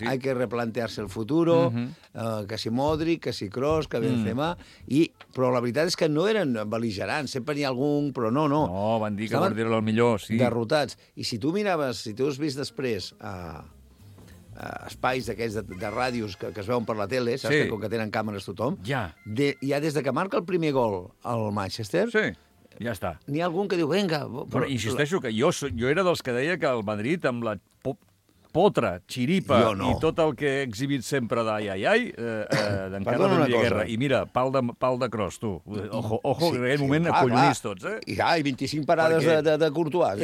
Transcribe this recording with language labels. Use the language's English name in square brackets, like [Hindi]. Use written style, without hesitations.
[Spanish] Hay que replantearse el futuro, que si Modric, que si Kroos, que Benzema, [Catalan] però la veritat és que no eren beligerants, sempre n'hi ha algun, però no. No, van dir que Guardiola era el millor, sí. Derrotats. I si tu miraves, si t'ho has vist després a espais d'aquests de ràdios que es veuen per la tele, saps que com que tenen càmeres tothom, ja des de que marca el primer gol al Manchester... Sí. Ja està. N'hi ha algun que diu, venga... Però insisteixo que jo era dels que deia que el Madrid, amb la potra, xiripa i tot el que he exhibit sempre d'ai, d'encara d'un lliguerra. I mira, pal de Kroos, tu. Ojo, sí, en aquell moment acollonís tots, eh? I 25 parades de Courtois.